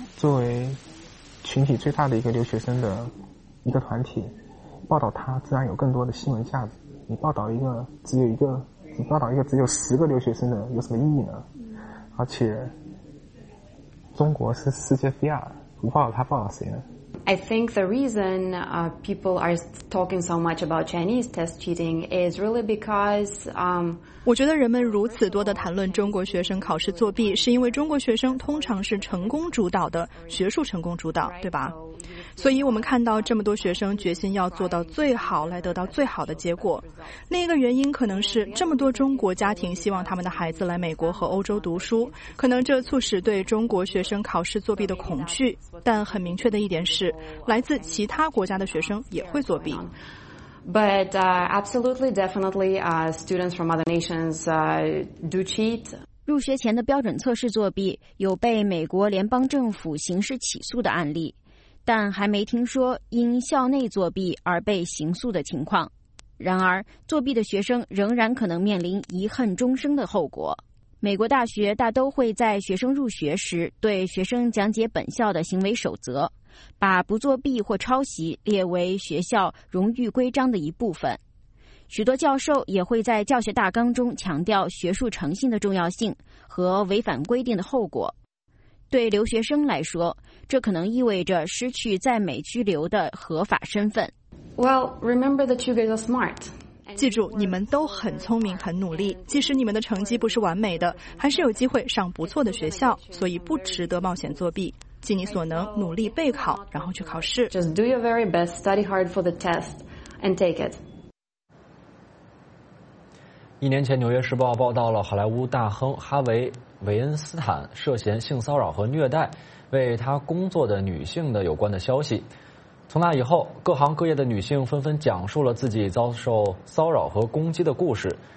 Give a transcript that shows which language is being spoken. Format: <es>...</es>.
<zh>作为群体最大的一个留学生的一个团体，报道它自然有更多的新闻价值。你报道一个只有一个，你报道一个只有10个留学生的有什么意义呢？而且中国是世界第二，你报道它报道谁呢？</zh> <en>I think the reason people are talking so much about Chinese test cheating is really because</en> <zh>我觉得人们如此多地谈论中国学生考试作弊，是因为中国学生通常是成功主导的，学术成功主导，对吧？所以我们看到这么多学生决心要做到最好来得到最好的结果。另一个原因可能是这么多中国家庭希望他们的孩子来美国和欧洲读书，可能这促使对中国学生考试作弊的恐惧。但很明确的一点是，来自其他国家的学生也会作弊。</zh> <en>But absolutely, definitely, students from other nations do cheat.</en> <zh>入学前的标准测试作弊有被美国联邦政府刑事起诉的案例，但还没听说因校内作弊而被刑诉的情况。然而，作弊的学生仍然可能面临遗恨终生的后果。美国大学大都会在学生入学时对学生讲解本校的行为守则，把不作弊或抄袭列为学校荣誉规章的一部分。许多教授也会在教学大纲中强调学术诚信的重要性和违反规定的后果。对留学生来说，这可能意味着失去在美居留的合法身份。</zh> <en>Well, remember that you guys are smart.</en> <zh>记住，你们都很聪明、很努力，即使你们的成绩不是完美的，还是有机会上不错的学校，所以不值得冒险作弊。尽你所能，努力备考，然后去考试。</zh> <en>Just do your very best, study hard for the test, and take it.</en> <zh>一年前，《纽约时报》报道了好莱坞大亨哈维·韦恩斯坦涉嫌性骚扰和虐待为他工作的女性的有关的消息。从那以后，各行各业的女性纷纷讲述了自己遭受骚扰和攻击的故事。</zh>